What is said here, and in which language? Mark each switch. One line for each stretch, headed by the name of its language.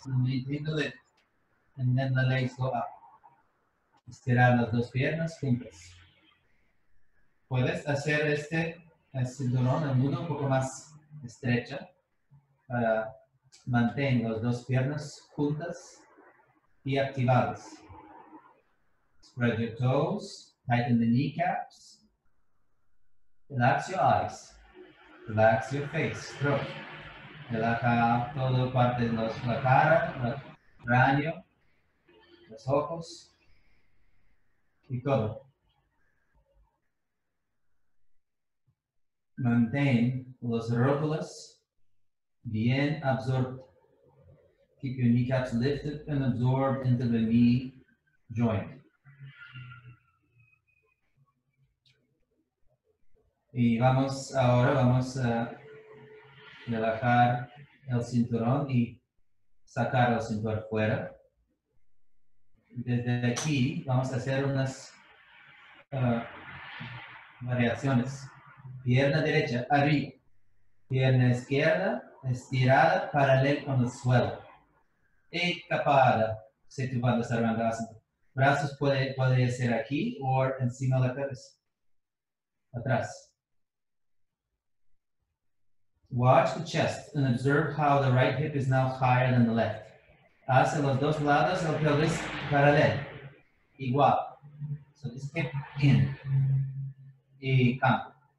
English: Maintain the lift, and then the legs go up.
Spanish: Estirar las dos piernas juntas. Puedes hacer este el cinturón, el nudo un poco más estrecha para mantener las dos piernas juntas y activadas.
English: Spread your toes, tighten the kneecaps, relax your eyes, relax your face, throat.
Spanish: Relaja toda parte de la cara, el cráneo, los ojos y todo. Maintain los rótulas bien absorbed.
English: Keep your kneecaps lifted and absorbed into the knee joint.
Spanish: Y vamos ahora, vamos a relajar el cinturón y sacar el cinturón fuera. Desde aquí vamos a hacer unas variaciones. Pierna derecha, arriba. Pierna izquierda, estirada, paralelo con el suelo. Escapada, Setubandha Sarvangasana. Brazos puede ser aquí o encima de la cabeza. Atrás.
English: Watch the chest and observe how the right hip is now higher than the left.
Spanish: Hace los dos lados del pelvis paralelo. Igual.
English: So this hip in.
Spanish: Y cambio.